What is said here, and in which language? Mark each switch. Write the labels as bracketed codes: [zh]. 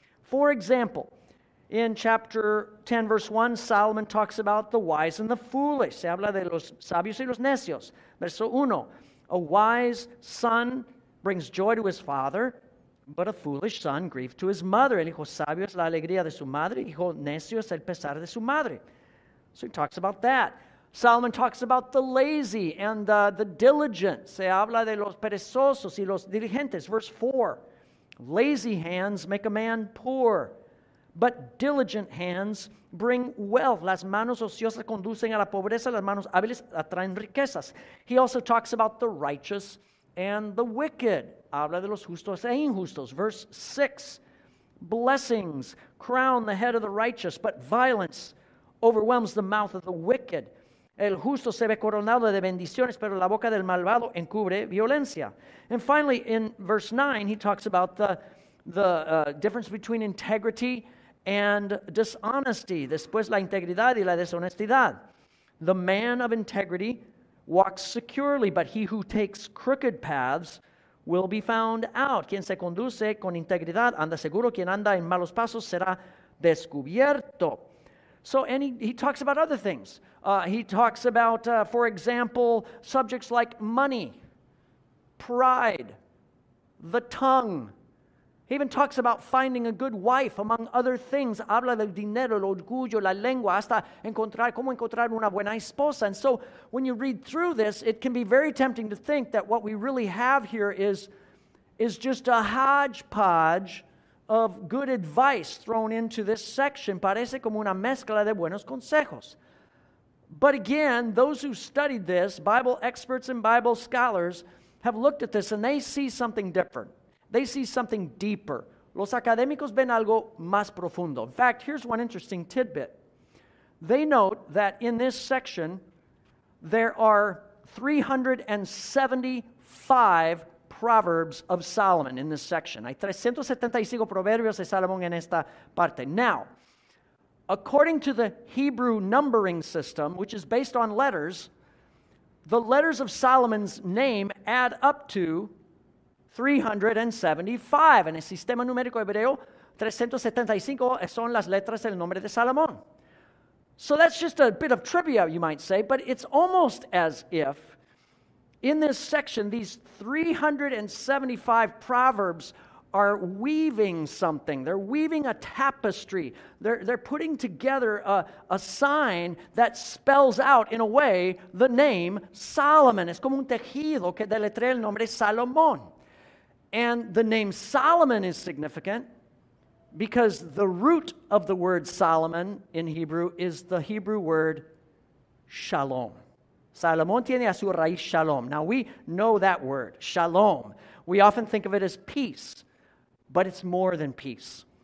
[en] For example, in chapter 10, verse 1, Solomon talks about the wise and the foolish. [es] Se habla de los sabios y los necios. Verso 1, [en] a wise son brings joy to his father, but a foolish son grief to his mother. [es] El hijo sabio es la alegría de su madre, el hijo necio es el pesar de su madre. [en] So he talks about that. Solomon talks about the lazy and the diligent. [es] Se habla de los perezosos y los diligentes. [en] Verse 4. Lazy hands make a man poor, but diligent hands bring wealth. [es] Las manos ociosas conducen a la pobreza, las manos hábiles atraen riquezas. [en] He also talks about the righteous and the wicked. [es] Habla de los justos e injustos. [en] Verse 6. Blessings crown the head of the righteous, but violence overwhelms the mouth of the wicked. [es] El justo se ve coronado de bendiciones, pero la boca del malvado encubre violencia. [en] And finally, in verse 9, he talks about the difference between integrity and dishonesty. [es] Después, la integridad y la deshonestidad. [en] The man of integrity walks securely, but he who takes crooked paths will be found out. [es] Quien se conduce con integridad anda seguro, quien anda en malos pasos será descubierto. [en] So, and he talks about other things. He talks about, for example, subjects like money, pride, the tongue. He even talks about finding a good wife, among other things. [es] Habla del dinero, el orgullo, la lengua, hasta encontrar, cómo encontrar una buena esposa. [en] And so, when you read through this, it can be very tempting to think that what we really have here is just a hodgepodge of good advice thrown into this section. [es] Parece como una mezcla de buenos consejos. [en] But again, those who studied this, Bible experts and Bible scholars, have looked at this and they see something different. They see something deeper. [es] Los académicos ven algo más profundo. [en] In fact, here's one interesting tidbit. They note that in this section, there are 375 Proverbs of Solomon in this section. [es] Hay 375 proverbios de Salomón en esta parte. [en] Now, according to the Hebrew numbering system, which is based on letters, the letters of Solomon's name add up to 375. [es] En el sistema numérico hebreo, 375 son las letras del nombre de Salomón. [en] So that's just a bit of trivia, you might say, but it's almost as if in this section, these 375 Proverbs are weaving something. They're weaving a tapestry. They're putting together a sign that spells out, in a way, the name Solomon. [es] Es como un tejido que deletrea el nombre Salomón. [en] And the name Solomon is significant because the root of the word Solomon in Hebrew is the Hebrew word shalom. [es] Salomón tiene a su raíz shalom. [en] Now, we know that word, shalom. We often think of it as peace, but it's more than peace.